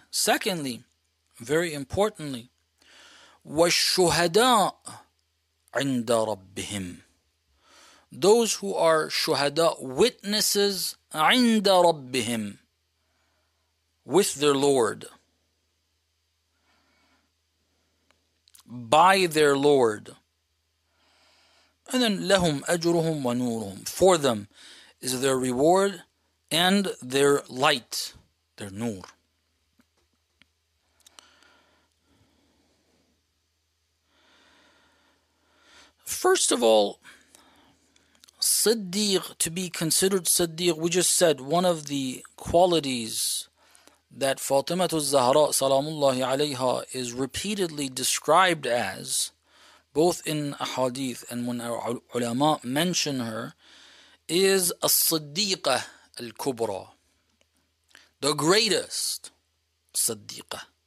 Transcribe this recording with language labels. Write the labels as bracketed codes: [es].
[en] Secondly, very importantly, [ar] وَالشُّهَدَاءُ عِنْدَ رَبِّهِمْ. [en] Those who are shuhada, witnesses, [ar] عِنْدَ رَبِّهِمْ, [en] with their Lord, by their Lord. And then [ar] لَهُمْ أَجْرُهُمْ وَنُورُهُمْ. [en] For them is their reward and their light, their nur. First of all, Siddiq, to be considered Siddiq, we just said one of the qualities that Fatima al-Zahra salamullahi alayha is repeatedly described as, both in ahadith and when our ulama mention her, is as-Siddiqa al-Kubra, the greatest Siddiqa.